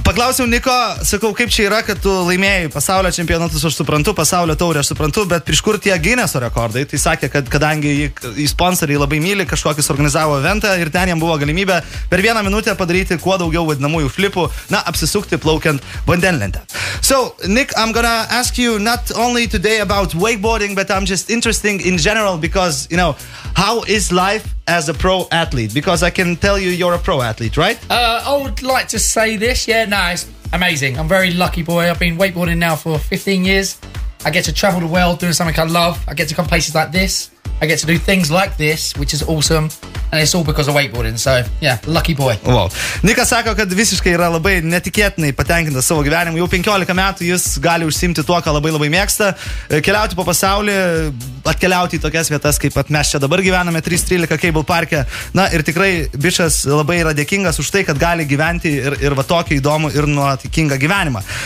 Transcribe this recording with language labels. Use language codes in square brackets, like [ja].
[lt] Paklausiau Niko, sakau, kaip čia yra, kad tu laimėjai pasaulio čempionatus, aš suprantu, pasaulio taurę, aš suprantu, bet prieš kur tie Gineso rekordai? Tai sakė, kad kadangi jį sponsoriai labai myli, kažkokį suorganizavo eventą ir ten jam buvo galimybė per vieną minutę padaryti kuo daugiau vadinamųjų flipų, na, apsisukti plaukiant vandenlentę. [en] So, Nick, I'm gonna ask you not only today about wakeboarding, but I'm just interested in general because, you know, how is life as a pro athlete? Because I can tell you you're a pro athlete, right? I would like to say this. Yeah, no, it's amazing. I'm a very lucky boy. I've been wakeboarding now for 15 years. I get to travel the world doing something I love. I get to come places like this. I get to do things like this, which is awesome. And it's all because of wakeboarding. So, yeah, lucky boy. Wow. [lt] Nikas sako, kad visiškai yra labai netikėtinai patenkintas savo gyvenimu. Jau 15 metų jis gali užsiimti tuo, ką labai labai mėgsta. Keliauti po pasaulį, atkeliauti į tokias vietas, kaip at mes čia dabar gyvename, 313 Cable Park'e. Na, ir tikrai bišas labai yra dėkingas už tai, kad gali gyventi ir va tokį įdomų ir nuotykingą gyvenimą.